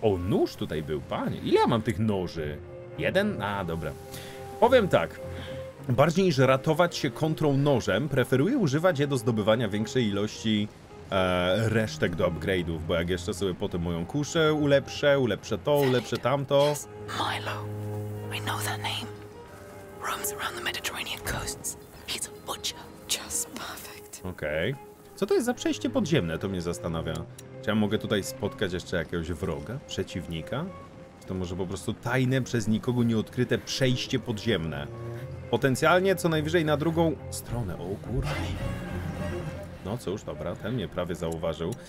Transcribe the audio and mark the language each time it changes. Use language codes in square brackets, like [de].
[pl] O, nóż tutaj był, panie. Ile ja mam tych noży? Jeden? A, dobra. Powiem tak. Bardziej niż ratować się kontrą nożem, preferuję używać je do zdobywania większej ilości resztek do upgrade'ów, bo jak jeszcze sobie potem moją kuszę ulepszę, ulepszę to, ulepszę tamto. [en] Milo. I know that name. Roams around the Mediterranean coasts. He's a butcher. Just perfect. Okej. [pl] Co to jest za przejście podziemne? To mnie zastanawia. Czy ja mogę tutaj spotkać jeszcze jakiegoś wroga, przeciwnika? Czy to może po prostu tajne, przez nikogo nieodkryte przejście podziemne? Potencjalnie co najwyżej na drugą stronę. O kurwa. No cóż, dobra, ten mnie prawie zauważył.